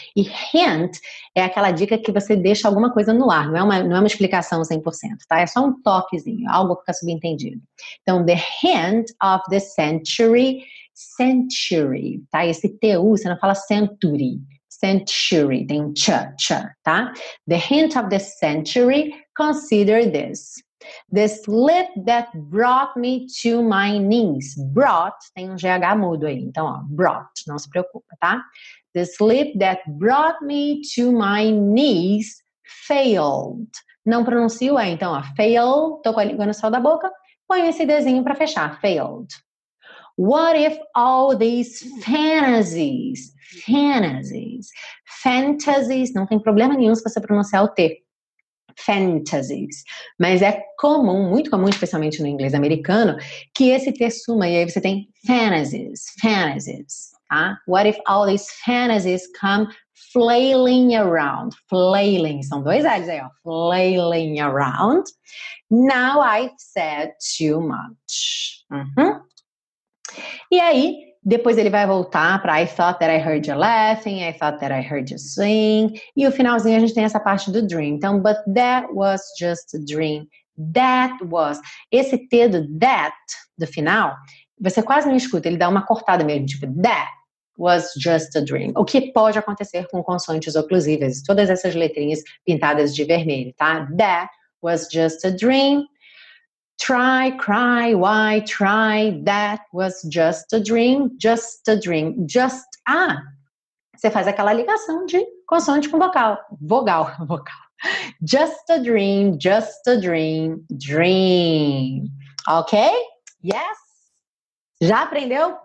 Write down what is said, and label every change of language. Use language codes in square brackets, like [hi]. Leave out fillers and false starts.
[pt] E hint é aquela dica que você deixa alguma coisa no ar, não é uma explicação 100%, tá? É só um toquezinho, algo que fica subentendido. [en] Então, the hint of the century, century, tá? [pt] Esse T-U, você não fala century, century, tem um ch, tá? [en] The hint of the century, consider this. The slip that brought me to my knees. [pt] Brought, tem um GH mudo aí, então, ó, brought, não se preocupa, tá? [en] The slip that brought me to my knees failed. [pt] Não pronuncio é, então, ó, fail, tô com a língua no céu da boca, põe esse desenho pra fechar, failed. [en] What if all these fantasies, [pt] não tem problema nenhum se você pronunciar o T. Fantasies. Mas é comum, muito comum, especialmente no inglês americano, que esse T suma e aí você tem fantasies, tá? [en] What if all these fantasies come flailing around? [pt] Flailing, são dois L's aí, ó. [en] Flailing around. Now I've said too much. [pt] E aí, depois ele vai voltar para [en] I thought that I heard you laughing, I thought that I heard you sing. [pt] E o finalzinho a gente tem essa parte do dream. [en] Então, but that was just a dream. That was. [pt] Esse T do that, do final, você quase não escuta. Ele dá uma cortada mesmo, tipo, [en] that was just a dream. [pt] O que pode acontecer com consoantes oclusivas? Todas essas letrinhas pintadas de vermelho, tá? [en] That was just a dream. Try, cry, why, try, that was just a dream, just a dream, just, ah, [pt] você faz aquela ligação de consoante com vogal, [en] just a dream, dream, ok? Yes? [pt] Já aprendeu?